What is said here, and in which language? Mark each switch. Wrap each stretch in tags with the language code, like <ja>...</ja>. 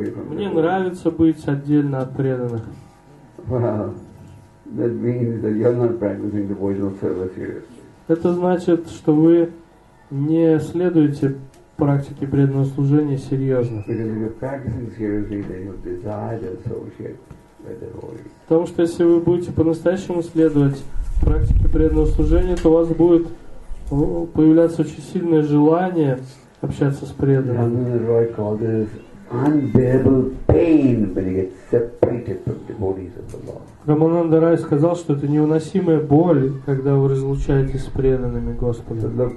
<ru>Мне нравится быть отдельно от преданных.</ru> <en>Well, that means that you're not practicing devotional service here.</en> <ru>Это значит, что вы не следуете практике преданного служения серьезно.</ru> <en>Because if you're practicing seriously, then you desire to associate with the devotees.</en> <ru>Потому что если вы будете по-настоящему следовать практике преданного служения, то у вас будет появляться очень сильное желание общаться с преданными.</ru> <en>Unbearable pain when he gets separated from the devotees of the Lord.</en> <ru>Рамананда Рай сказал, что это невыносимая боль, когда вы разлучаетесь с преданными Господа.</ru>